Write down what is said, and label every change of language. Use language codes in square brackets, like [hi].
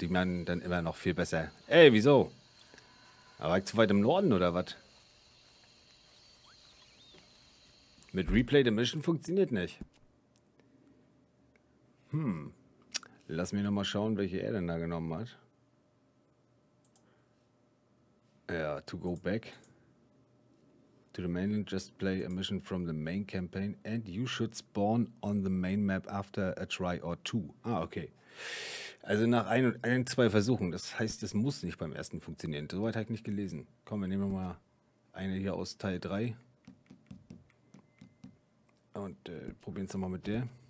[de] Die meinen dann immer noch viel besser. Ey, wieso? War ich zu weit im Norden oder was? Mit Replay the Mission funktioniert nicht. Hm. Lass mir nochmal schauen, welche er denn da genommen hat. [en] Ja, to go back to the mainland, just play a mission from the main campaign and you should spawn on the main map after a try or two. [de] Ah, okay. Also nach ein, zwei Versuchen. Das heißt, es muss nicht beim ersten funktionieren. Soweit habe ich nicht gelesen. Komm, wir nehmen mal eine hier aus Teil 3. Und probieren es nochmal mit der.